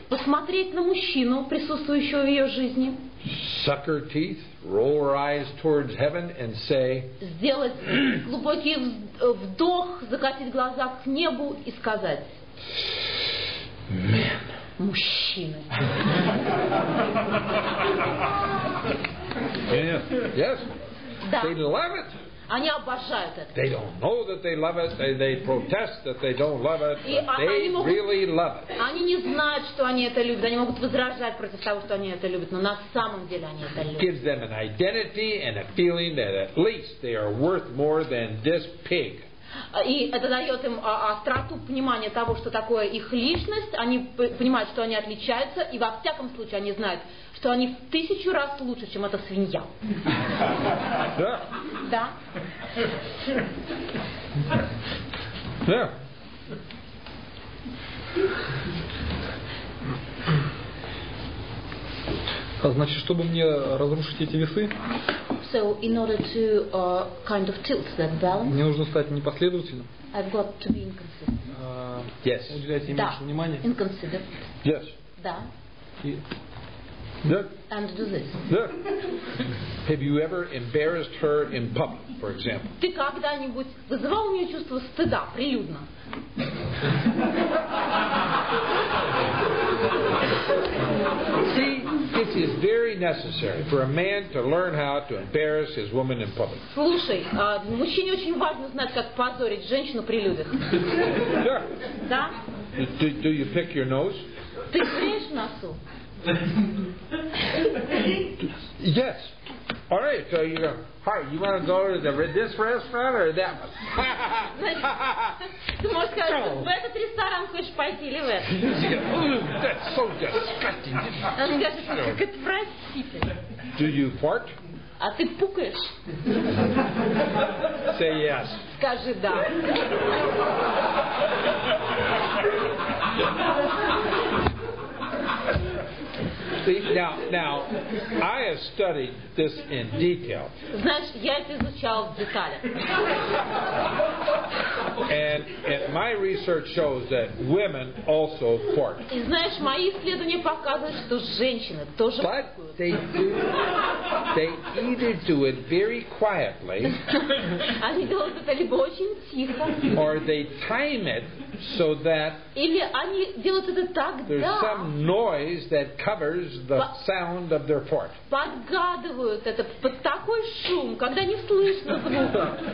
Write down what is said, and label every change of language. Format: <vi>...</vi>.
<ru>посмотреть на мужчину, присутствующего в ее жизни,</ru> <en>suck her teeth, roll her eyes towards heaven and say,</en> <ru>сделать глубокий вдох, закатить глаза к небу и сказать,</ru> <en>man,</en> <ru>мужчины.</ru> <en>Yes.</en> <ru>Да.</ru> <en>They love it.</en> <ru>Они обожают это.</ru> <en>They don't know that they love it. They protest that they don't love it. But they really love it.</en> <ru>Они не знают, что они это любят. Они могут возражать против того, что они это любят. Но на самом деле они это любят.</ru> <en>Gives them an identity and a feeling that at least they are worth more than this pig.</en> <ru>И это дает им остроту понимания того, что такое их личность. Они понимают, что они отличаются. И во всяком случае они знают, что они в тысячу раз лучше, чем эта свинья. Да. Да. Да. А значит, чтобы мне разрушить эти весы?</ru> <en>So in order to kind of tilt that balance.</en> <ru>Мне нужно стать непоследовательным.</ru> <en>I've got to be inconsistent. Yes.</en> <ru>Уделять им меньше внимания. Да.</ru> <en>Inconsistent. Yes.</en> <ru>Да.</ru> <en>Yeah. And do this. Yeah. Have you ever embarrassed her in public, for example?</en> <ru>Ты когда-нибудь вызывал у нее чувство стыда прилюдно?</ru> <en>See, this is very necessary for a man to learn how to embarrass his woman in public.</en> <ru>Слушай, мужчине очень важно знать, как позорить женщину при людях. Да. Да?</ru> <en>Do you pick your nose?</en> <ru>Ты бреешь носу?</ru> <en>Yes. All right. So you go. Hi. You want to go to this restaurant or that one?</en> <ru>Ты можешь сказать, в этот ресторан хочешь пойти или в этот?</ru> <en>That's so disgusting.</en> <ru>Он говорит, что как отвратительно.</ru> <en>Do you fart?</en> <ru>А ты пукаешь?</ru> <en>Say yes.</en> <ru>Скажи да.</ru> <en>See, now I have studied this in detail.</en> <ru>Знаешь, я это изучал в деталях.</ru> <en>And my research shows that women also fart.</en> <ru>И знаешь, мои исследования показывают, что женщины тоже</ru> <en>fart. But they either do it very quietly.</en> <ru>Они делают это либо очень тихо.</ru> <en>Or they time it so that.</en> <ru>Или они делают это так, да.</ru> <en>There's some noise that covers the sound of their fart.</en> <ru>Подгадывают это под такой шум, когда не слышно звука.</ru>